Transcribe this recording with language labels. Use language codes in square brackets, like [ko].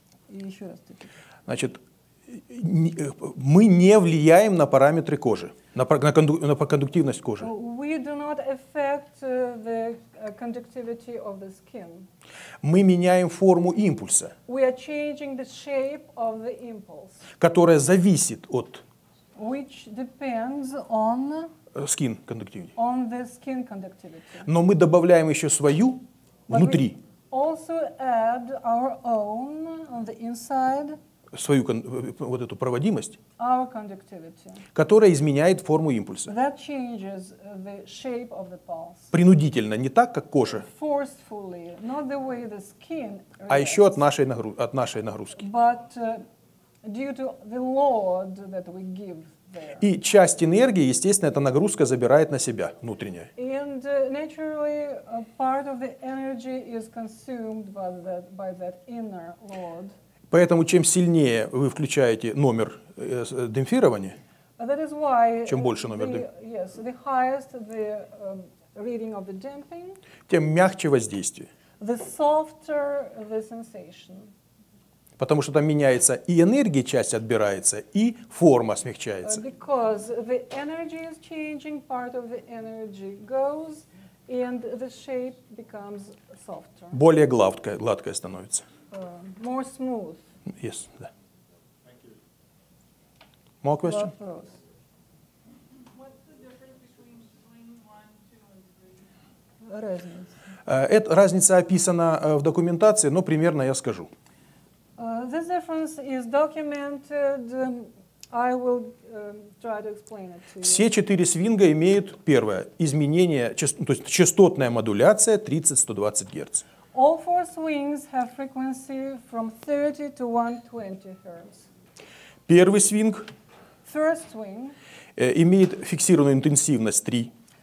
[ru] Еще раз. Значит, мы не влияем на параметры кожи, на кондуктивность кожи. [en] we do not affect the conductivity of the skin. [ru] Мы меняем форму импульса. [en] We are changing the shape of the impulse. [ru] Которая зависит от [en] which depends on skin conductivity. On the skin conductivity. [ru] Но мы добавляем еще свою внутри. [en] Also add our own on the inside. [ru] Свою вот эту проводимость, [en] our conductivity, [ru] которая изменяет форму импульса. [en] That changes the shape of the pulse. [ru] Принудительно, не так, как кожа, [en] forcefully, not the way the skin reacts, [ru] а еще от нашей нагрузки. [en] But, due to the load that we give there. [ru] И часть энергии, естественно, эта нагрузка забирает на себя внутренняя. [en] And, naturally, part of the energy is consumed by that inner load. [ru] Поэтому чем сильнее вы включаете номер демпфирования, чем больше номер демпфирования, тем мягче воздействие. [en] The softer the sensation. [ru] Потому что там меняется и энергия, часть отбирается, и форма смягчается. [en] Because the energy is changing, part of the energy goes, and the shape becomes softer. [ru] Более гладкая, гладкая становится. [en] More smooth. Yes. Thank you. More questions? What's the difference between swing 1, 2, and 3? [ru] Это разница описана в документации, но примерно я скажу. [en] This difference is documented. I will try to explain it to you. [ru] Все четыре свинга имеют первое изменение, то есть частотная модуляция 30-120 Гц. [en] All four swings have frequency from 30 to 120 Hz. [ru] Первый свинг, [en] first swing, [ru] имеет фиксированную интенсивность 3.